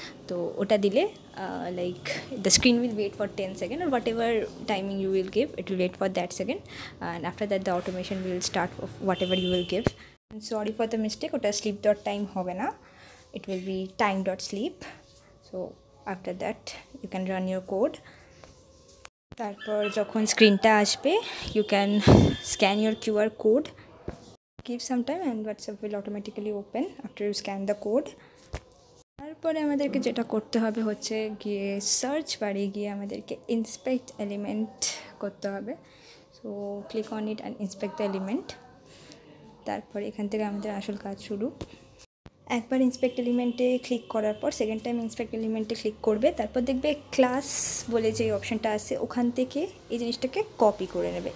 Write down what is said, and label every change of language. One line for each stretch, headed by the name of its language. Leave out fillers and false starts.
Bangla: তো ওটা দিলে
English: Like the screen will wait for 10 second, আর whatever timing you will give it will wait for that second, and after that the automation will start of whatever you will give. Sorry for the mistake,
Bangla: ওটা slip dot time হবে না,
English: It will be time dot sleep. So after that you can run your code.
Bangla: তারপর যখন স্ক্রিনটা আসবে
English: You can scan your QR code, give some time and WhatsApp will automatically open after you scan the code.
Bangla: তারপরে আমাদেরকে যেটা করতে হবে হচ্ছে গিয়ে সার্চ বারে গিয়ে আমাদেরকে ইন্সপেক্ট এলিমেন্ট করতে হবে।
English: So click on it and inspect the element.
Bangla: তারপরে এখান থেকে আমাদের আসল কাজ শুরু। একবার ইন্সপেক্ট এলিমেন্টে ক্লিক করার পর সেকেন্ড টাইম ইন্সপেক্ট এলিমেন্টে ক্লিক করবে, তারপর দেখবে ক্লাস বলে যে অপশানটা আছে ওখান থেকে এই জিনিসটাকে কপি করে নেবে।